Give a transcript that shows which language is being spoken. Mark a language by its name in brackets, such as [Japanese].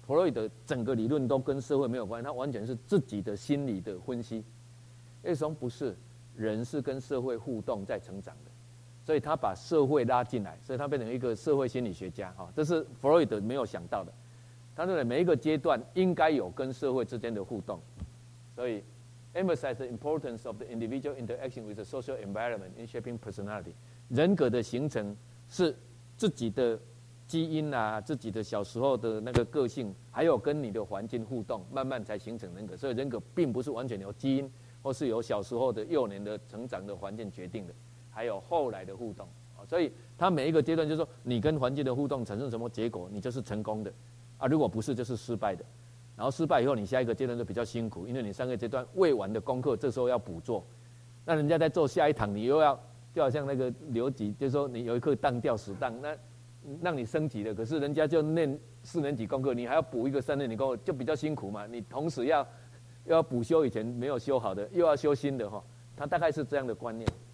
[Chinese] 弗洛伊德整个理论都跟社会没有关系，他完全是自己的心理的分析。 Erikson 不是，人是跟社会互动在成长的。所以他把社会拉进来，所以他变成一个社会心理学家哈，这是弗洛伊德没有想到的。他认为每一个阶段应该有跟社会之间的互动，所以 [English] emphasize the importance of the individual interaction with the social environment in shaping personality。 [Chinese] 人格的形成是自己的基因啊，自己的小时候的那个个性，还有跟你的环境互动，慢慢才形成人格。所以人格并不是完全由基因或是由小时候的幼年的成长的环境决定的。还有后来的互动，所以他每一个阶段就是说你跟环境的互动产生什么结果，你就是成功的啊，如果不是就是失败的，然后失败以后你下一个阶段就比较辛苦，因为你上个阶段未完的功课这时候要补做，那人家在做下一堂你又要，就好像那个留级，就是说你有一颗当掉死当，那让你升级的，可是人家就念四年级功课，你还要补一个三年级功课，就比较辛苦嘛，你同时又要补修以前没有修好的，又要修新的哈，他大概是这样的观念。